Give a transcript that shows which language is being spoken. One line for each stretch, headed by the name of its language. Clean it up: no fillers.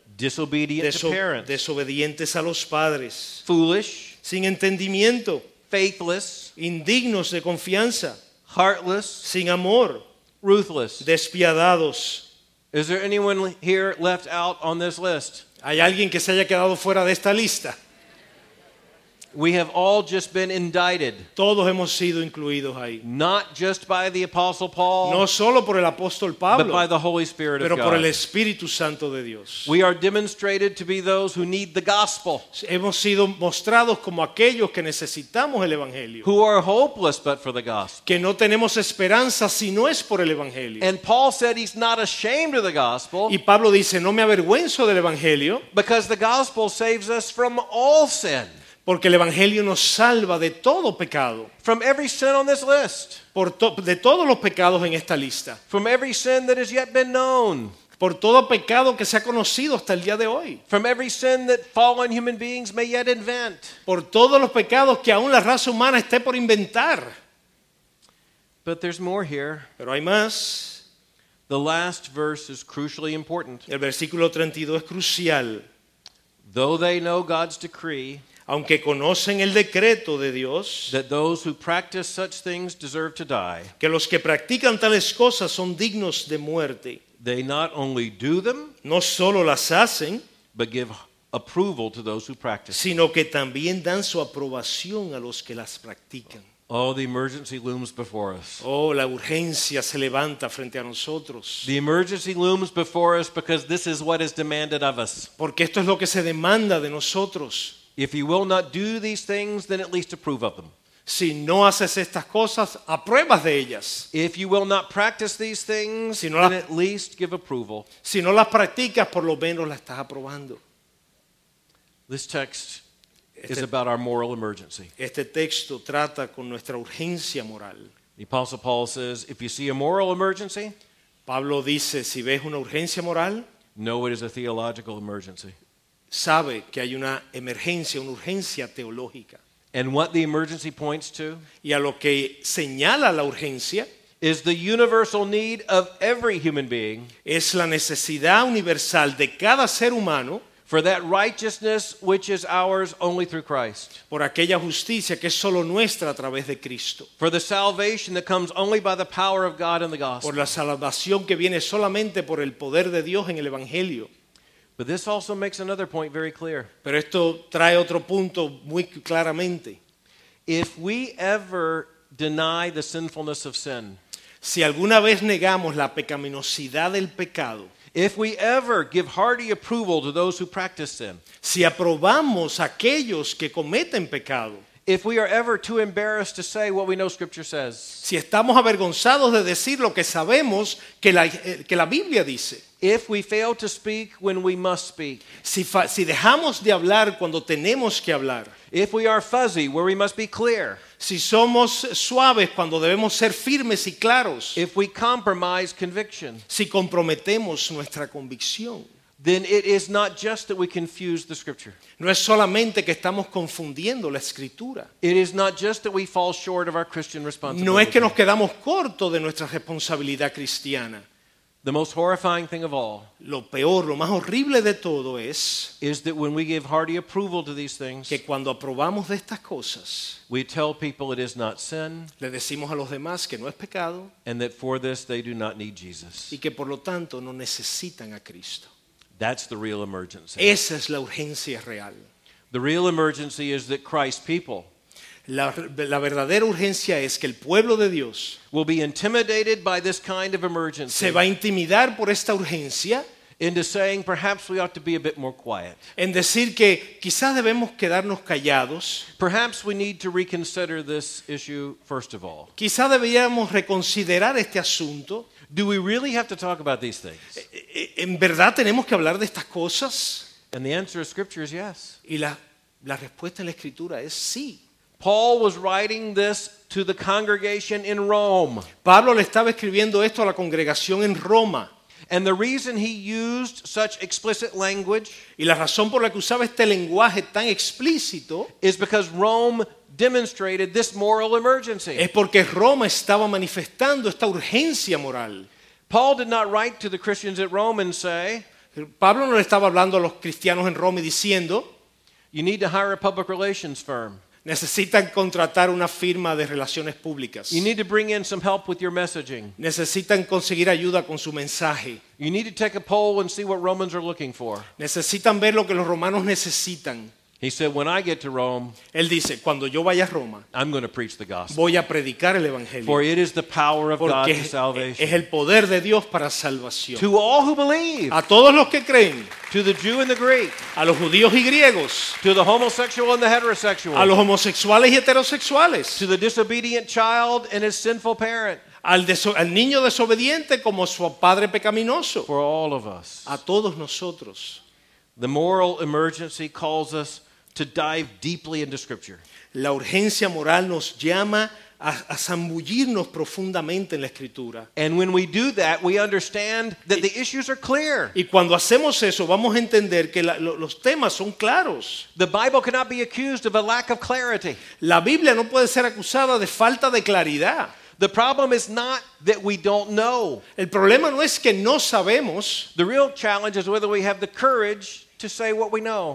English: disobedient to parents,
Spanish: desobedientes a los padres,
English: foolish,
Spanish: sin entendimiento,
English: faithless,
Spanish: indignos de confianza,
English: heartless,
Spanish: sin amor,
English: ruthless,
Spanish: despiadados.
English: Is there anyone here left out on this list?
Spanish: ¿Hay alguien que se haya quedado fuera de esta lista?
English: We have all just been indicted.
Spanish: Todos hemos sido incluidos ahí.
English: Not just by the Apostle Paul.
Spanish: No solo por el apóstol Pablo.
English: But by the Holy Spirit of God.
Spanish: Pero por el Espíritu Santo de Dios.
English: We are demonstrated to be those who need the gospel.
Spanish: Hemos sido mostrados como aquellos que necesitamos el evangelio.
English: Who are hopeless but for the gospel.
Spanish: Que no tenemos esperanza si no es por el evangelio.
English: And Paul said he's not ashamed of the gospel.
Spanish: Y Pablo dice, no me avergüenzo del evangelio.
English: Because the gospel saves us from all sin.
Spanish: Porque el evangelio nos salva de todo pecado.
English: From every sin on this list.
Spanish: De todos los pecados en esta lista.
English: From every sin that has yet been known.
Spanish: Por todo pecado que se ha conocido hasta el día de hoy.
English: From every sin that fallen human beings may yet invent.
Spanish: Por todos los pecados que aún la raza humana esté por inventar.
English: But there's more here.
Spanish: Pero hay más.
English: The last verse is crucially important.
Spanish: El versículo 32 es crucial.
English: Though they know God's decree,
Spanish: aunque conocen el decreto de Dios,
English: that those who practice such things deserve to die,
Spanish: que los que practican tales cosas son dignos de muerte,
English: they not only do them,
Spanish: no solo las hacen,
English: but give approval to those who practice,
Spanish: sino que también dan su aprobación a los que las practican.
English: Oh, the emergency looms before us.
Spanish: Oh, la urgencia se levanta frente a nosotros.
English: The emergency looms before us because this is what is demanded of us.
Spanish: Porque esto es lo que se demanda de nosotros.
English: If you will not do these things, then at least approve of them.
Spanish: Si no haces estas cosas, apruebas de ellas.
English: If you will not practice these things,
Spanish: si no
English: then at least give approval.
Spanish: Si no las practicas, por lo menos las estás aprobando.
English: This text is about our moral emergency.
Spanish: Este texto trata con nuestra urgencia moral.
English: The Apostle Paul says, if you see a moral emergency,
Spanish: Pablo dice, si ves una urgencia moral,
English: know it is a theological emergency.
Spanish: Sabe que hay una emergencia, una urgencia teológica.
English: And what the emergency points to,
Spanish: y a lo que señala la urgencia,
English: is the universal need of every human being,
Spanish: es la necesidad universal de cada ser humano,
English: for that righteousness which is ours only through Christ,
Spanish: por aquella justicia que es solo nuestra a través de Cristo,
English: for the salvation that comes only by the power of God and the gospel,
Spanish: por la salvación que viene solamente por el poder de Dios en el evangelio.
English: But this also makes another point very clear.
Spanish: Pero esto trae otro punto muy claramente.
English: If we ever deny the sinfulness of sin,
Spanish: si alguna vez negamos la pecaminosidad del pecado,
English: if we ever give hearty approval to those who practice sin,
Spanish: si aprobamos aquellos que cometen pecado,
English: if we are ever too embarrassed to say what we know Scripture says,
Spanish: si estamos avergonzados de decir lo que sabemos que la Biblia dice,
English: if we fail to speak when we must speak,
Spanish: si dejamos de hablar cuando tenemos que hablar,
English: if we are fuzzy where we must be clear,
Spanish: si somos suaves cuando debemos ser firmes y claros,
English: if we compromise conviction,
Spanish: si comprometemos nuestra convicción,
English: then it is not just that we confuse the Scripture.
Spanish: No es solamente que estamos confundiendo la Escritura.
English: It is not just that we fall short of our Christian responsibility.
Spanish: No es que nos quedamos cortos de nuestra responsabilidad cristiana.
English: The most horrifying thing of all,
Spanish: lo peor, lo más horrible de todo es,
English: is that when we give hearty approval to these things,
Spanish: que cuando aprobamos de estas cosas,
English: we tell people it is not sin,
Spanish: le decimos a los demás que no es pecado,
English: and that for this they do not need Jesus,
Spanish: y que por lo tanto no necesitan a Cristo.
English: That's the real emergency.
Spanish: Esa es la urgencia real.
English: The real emergency is that Christ's people,
Spanish: la verdadera urgencia es que el pueblo de Dios,
English: will be intimidated by this kind of emergency,
Spanish: se va a intimidar por esta urgencia,
English: into saying perhaps we ought to be a bit more quiet,
Spanish: en decir que quizás debemos quedarnos callados,
English: perhaps we need to reconsider this issue first of all,
Spanish: quizás deberíamos reconsiderar este asunto.
English: Do we really have to talk about these things?
Spanish: ¿En verdad tenemos que hablar de estas cosas?
English: And the answer of Scripture is yes.
Spanish: Y la respuesta en la Escritura es sí.
English: Paul was writing this to the congregation in Rome.
Spanish: Pablo le estaba escribiendo esto a la congregación en Roma.
English: And the reason he used such explicit language,
Spanish: y la razón por la que usaba este lenguaje tan explícito,
English: is because Rome demonstrated this moral emergency.
Spanish: Es porque Roma estaba manifestando esta urgencia moral.
English: Paul did not write to the Christians at Rome and say,
Spanish: Pablo no le estaba hablando a los cristianos en Roma y diciendo,
English: you need to hire a public relations firm.
Spanish: Necesitan contratar una firma de relaciones públicas.
English: You need to bring in some help with your messaging.
Spanish: Necesitan conseguir ayuda con su mensaje.
English: You need to take a poll and see what Romans are looking for.
Spanish: Necesitan ver lo que los romanos necesitan.
English: He said, when I get to Rome,
Spanish: él dice, cuando yo vaya a Roma,
English: I'm going to preach the gospel.
Spanish: Voy a predicar el evangelio.
English: For it is the power of God to salvation.
Spanish: Es el poder de Dios para salvación.
English: To all who believe,
Spanish: a todos los que creen,
English: to the Jew and the Greek,
Spanish: a los judíos y griegos,
English: to the homosexual and the heterosexual,
Spanish: a los homosexuales y heterosexuales,
English: to the disobedient child and his sinful parent,
Spanish: al niño desobediente como su padre pecaminoso,
English: for all of us,
Spanish: a todos nosotros.
English: The moral emergency calls us to dive deeply into Scripture.
Spanish: La urgencia moral nos llama a zambullirnos profundamente en la Escritura.
English: And when we do that, we understand that the issues are clear.
Spanish: Y cuando hacemos eso, vamos a entender que los temas son claros.
English: The Bible cannot be accused of a lack of clarity.
Spanish: La Biblia no puede ser acusada de falta de claridad.
English: The problem is not that we don't know.
Spanish: El problema no es que no sabemos.
English: The real challenge is whether we have the courage to say what we know.